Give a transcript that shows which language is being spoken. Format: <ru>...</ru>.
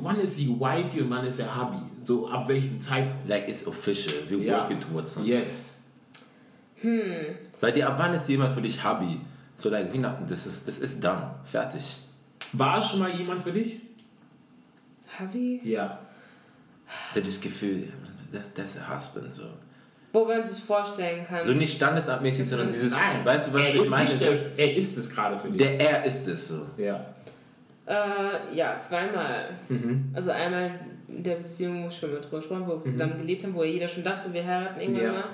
<de>Wann ist sie wifey und wann ist der Hubby? So, ab welchem Zeitpunkt?</de> <en>Like, it's official. We're working towards something. Yes.</en> <de>Bei dir, ab wann ist jemand für dich Hubby? So, like, wie nach... Das ist done. Fertig. War es schon mal jemand für dich? Hubby? Ja. So, das Gefühl,</de> <en>that's a husband,</en> <de>so. Wo man sich vorstellen kann. So, nicht standesabmäßig, sondern dieses... Nein. Weißt du, was ich meine? Er ist es gerade für dich. Der Er ist es, so. Ja. Ja, zweimal. Mhm. Also einmal in der Beziehung, wo ich schon mal drüber gesprochen habe, wo wir zusammen gelebt haben, wo ja jeder schon dachte, wir heiraten irgendwann mal.</de>